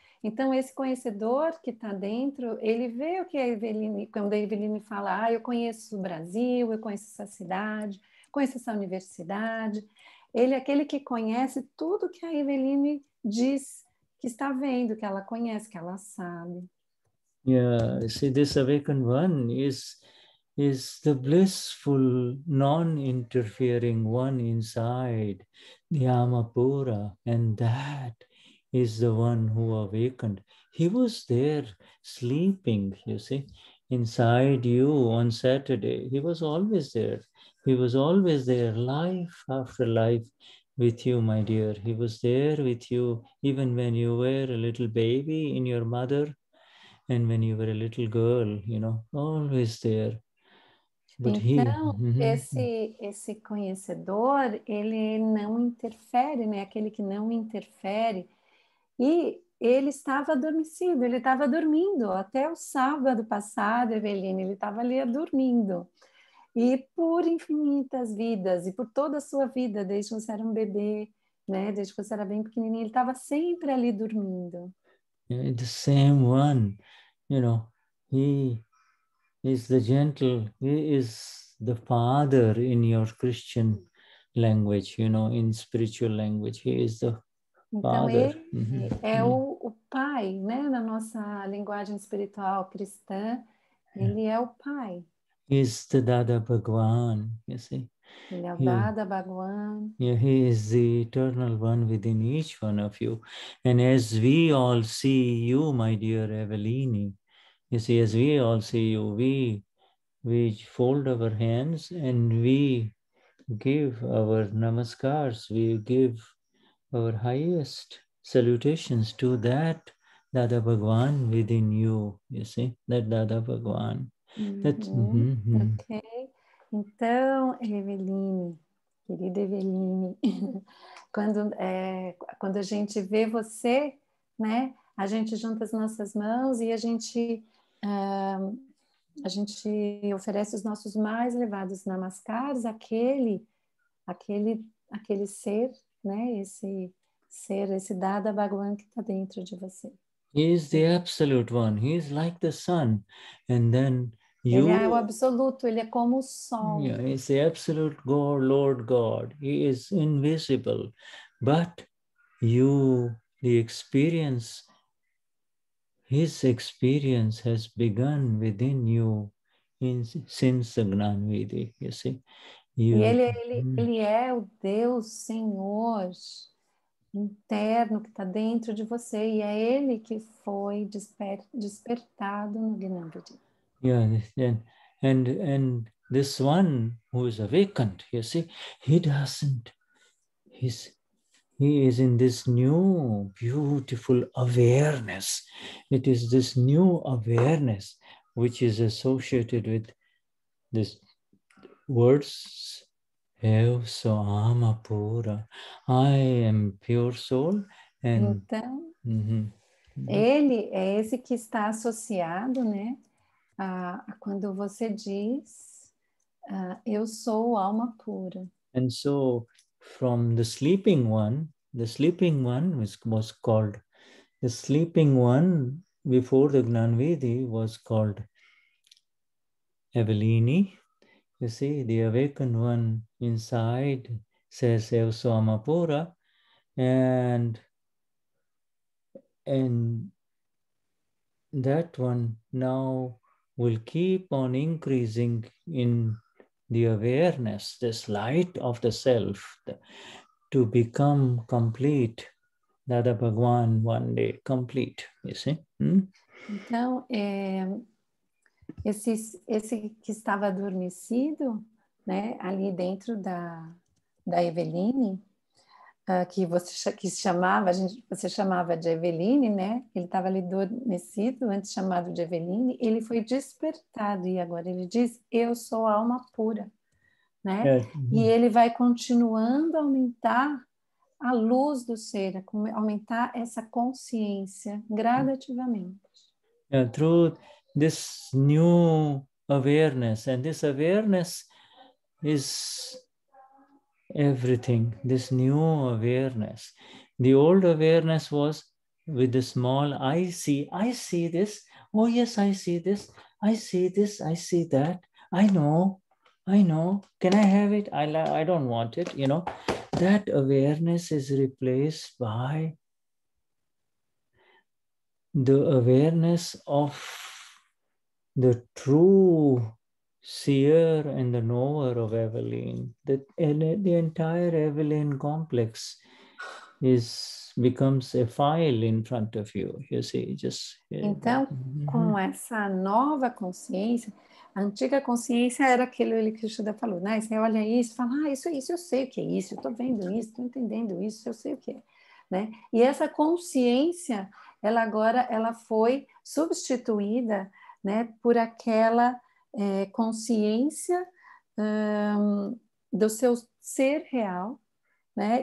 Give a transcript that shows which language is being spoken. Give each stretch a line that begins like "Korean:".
Portuguese: Então, esse conhecedor que está dentro, ele vê o que a Eveline, quando a Eveline fala, ah, eu conheço o Brasil, eu conheço essa cidade, conheço essa universidade. Ele é aquele que conhece tudo que a Eveline diz, que está vendo, que ela conhece, que ela sabe.
English: Yeah, see, this awakened one is the blissful, non-interfering one inside, the Amapura, and that is the one who awakened. He was there sleeping, you see, inside you on Saturday. He was always there. He was always there, life after life, with you, my dear. He was there with you, even when you were a little baby in your mother, and when you were a little girl, you know, always there.
Portuguese: But então, esse conhecedor, ele não interfere, né? Aquele que não interfere. E ele estava adormecido, ele estava dormindo. Até o sábado passado, Eveline, ele estava ali dormindo. E por infinitas vidas, e por toda a sua vida, desde que você era um bebê, né? Desde que você era bem pequenininho, ele estava sempre ali dormindo.
English: The same one, you know, he is the gentle, he is the father in your Christian language, you know, in spiritual language, he is the father.
Portuguese: Então ele é o pai, né? Na nossa linguagem espiritual cristã, ele é o pai.
English: Is the Dada Bhagwan, you see.
Portuguese: Ele é o Dada Bhagwan.
English: Yeah, he is the eternal one within each one of you. And as we all see you, my dear Eveline, you see, as we all see you, we fold our hands and we give our namaskars, we give our highest salutations to that Dada Bhagwan within you, you see, that Dada Bhagwan.
Portuguese: Ok, então, Eveline, querida Eveline, quando a gente vê você, né, a gente junta as nossas mãos e a gente oferece os nossos mais elevados namaskars, aquele ser, né, esse ser, esse Dada Bhagwan que está dentro de você.
English: He is the absolute one, he is like the sun, and then
Portuguese: You, ele é o absoluto, ele é como o som.
English: Yeah, it's the absolute God, Lord God. He is invisible. But you, the experience, his experience has begun within you in, since the Gnan Vidhi, you see. You,
Portuguese: e ele é o Deus Senhor interno que está dentro de você e é ele que foi despertado no Gnan Vidhi.
English: Yeah, and this one who is awakened, you see, he doesn't, he is in this new beautiful awareness. It is this new awareness which is associated with this words,
Portuguese: eu sou alma pura,
English: I am pure soul. And,
Portuguese: então, ele é esse que está associado, né? Quando você diz, eu sou alma pura.
English: And so, from the sleeping one was called, the sleeping one before the Gnan Vidhi was called Evelini. You see, the awakened one inside says,
Portuguese: eu sou alma pura.
English: And that one now will keep on increasing in the awareness, this light of the self, to become complete, Dada Bhagwan one day, complete, you see?
Portuguese: Então, esse que estava adormecido, né, ali dentro da Eveline, você chamava de Eveline, né? Ele estava ali adormecido, antes chamado de Eveline. Ele foi despertado e agora ele diz, eu sou a alma pura, né? É. E ele vai continuando a aumentar a luz do ser, aumentar essa consciência gradativamente.
English: Yeah, through this new awareness, and this awareness is everything, this new awareness. The old awareness was with the small I see this, oh yes, I see this, I see that, I know, can I have it? I don't want it, you know. That awareness is replaced by the awareness of the true seer and the knower of Eveline, the entire Eveline complex becomes a file in front of you. You see, just.
Portuguese: Então, com essa nova consciência, a antiga consciência era aquilo que o Shuddha falou, né? Você olha isso, fala, ah, isso, eu sei o que é isso, eu tô vendo isso, tô entendendo isso, eu sei o que é, né? E essa consciência, ela foi substituída, né, por aquela consciência do seu ser real, né?